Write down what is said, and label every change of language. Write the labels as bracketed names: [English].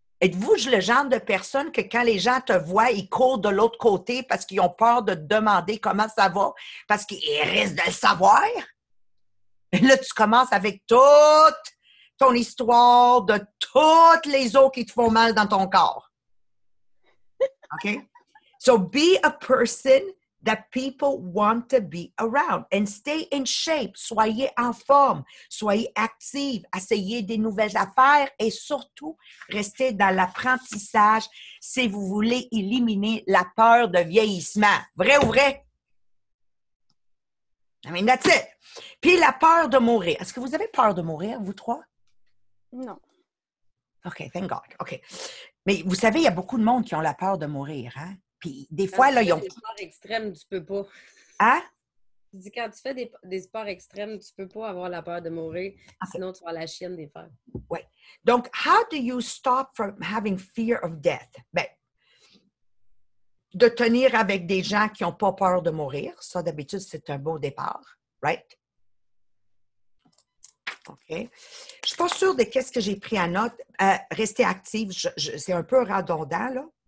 [French] Êtes-vous le genre de personne que quand les gens te voient, ils courent de l'autre côté parce qu'ils ont peur de te demander comment ça va, parce qu'ils risquent de le savoir? là, tu commences avec toute ton histoire de toutes les os qui te font mal dans ton corps. OK? [English] So be a person that people want to be around and stay in shape. [French] Soyez en forme. Soyez active. Essayez des nouvelles affaires et surtout, restez dans l'apprentissage si vous voulez éliminer la peur de vieillissement. Vrai ou vrai? [English] I mean, that's it. [French] Puis la peur de mourir. Est-ce que vous avez peur de mourir, vous trois? Non. [English] OK, thank God. OK. [French] Mais vous savez, il y a beaucoup de monde qui ont la peur de mourir, hein? Puis des fois, là, ils ont... Des sports extrêmes, tu peux pas. Hein? Tu dis, quand tu fais des sports extrêmes, tu peux pas avoir la peur de mourir, okay. Sinon tu vas la chienne des peurs. Oui. [English] Donc, how do you stop from having fear of death? [French] Ben, de tenir avec des gens qui n'ont pas peur de mourir. Ça, d'habitude, c'est un bon départ. Right? OK. Je suis pas sûre de qu'est-ce que j'ai pris en note. Rester active, c'est un peu redondant, là.